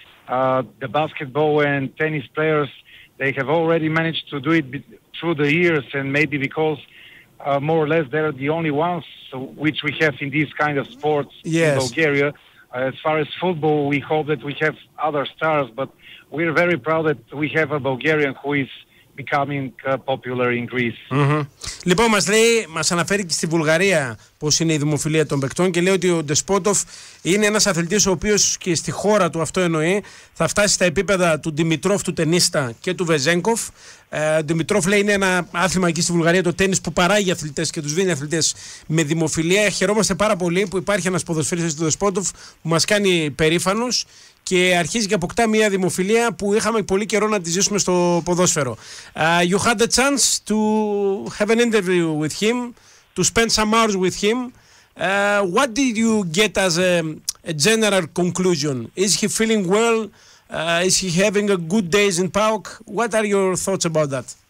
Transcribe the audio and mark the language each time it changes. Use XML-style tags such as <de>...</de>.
<en>The basketball and tennis players, they have already managed to do it through the years, and maybe because more or less, they're the only ones which we have in these kind of sports in Bulgaria. As far as football, we hope that we have other stars, but we're very proud that we have a Bulgarian who is becoming popular in Greece.</en> <el>Λοιπόν, μας λέει, μας αναφέρει και στη Βουλγαρία πώς είναι η δημοφιλία των παικτών και λέει ότι ο Ντεσπότοφ είναι ένας αθλητής ο οποίος και στη χώρα του, αυτό εννοεί, θα φτάσει στα επίπεδα του Ντιμητρόφ, του τενίστα και του Βεζένκοφ. Ντιμητρόφ λέει είναι ένα άθλημα εκεί στη Βουλγαρία, το τένις που παράγει αθλητές και τους δίνει αθλητές με δημοφιλία. Χαιρόμαστε πάρα πολύ που υπάρχει ένας ποδοσφαιριστής του Ντεσπότοφ που μας κάνει περήφανος. Και αρχίζει και αποκτά μια δημοφιλία που είχαμε πολύ καιρό να τη ζήσουμε στο ποδόσφαιρο.</el> <en>You had the chance to have an interview with him, to spend some hours with him. What did you get as a general conclusion? Is he feeling well? Is he having a good days in PAOK? What are your thoughts about that?</en>